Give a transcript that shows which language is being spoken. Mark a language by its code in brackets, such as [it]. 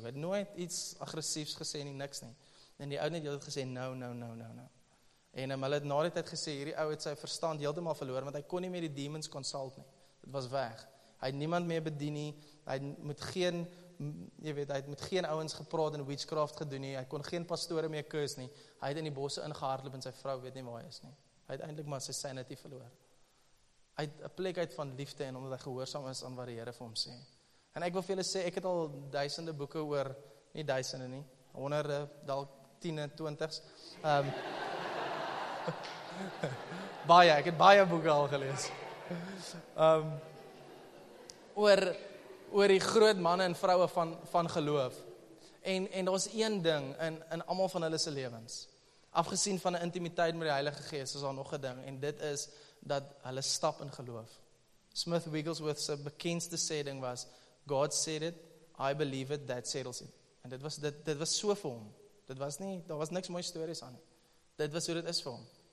[af] Het nooit iets agressiefs gesê nie, niks nie. En die ou net het gesê, no. En hulle het na die tyd gesê, hierdie ou het sy verstand heeltemal verloor, want hy kon nie meer die demons consult nie. Dit was weg. Hy het niemand meer bedien nie. Hy het met geen ouens gepraat en witchcraft gedoen nie. Hy kon geen pastore meer kus nie. Hy het in die bosse ingehardloop en sy vrou weet nie waar hy is nie. Hy het eintlik maar sy sanity verloor. Hy het 'n plek uit van liefde en omdat hy gehoorsaam is aan wat die Here vir hom sê. En ek wil vir julle sê, ek het al duisende boeke oor, nie duisende nie, honderde, dalk 10, 20s. Baie, ek het baie boeke al gelees. Oor die groot manne en vroue van geloof. En daar is een ding in almal van hulle se lewens. Afgesien van 'n intimiteit met die Heilige Gees, is daar nog 'n ding. En dit is dat hulle stap in geloof. [en] Smith Wigglesworth [af] se bekendste sê ding was, [en] God said it, I believe it, that settles it. [af] En dit was so vir hom. Dit was nie, daar was niks mooi stories aan. Dit was hoe dit is vir hom.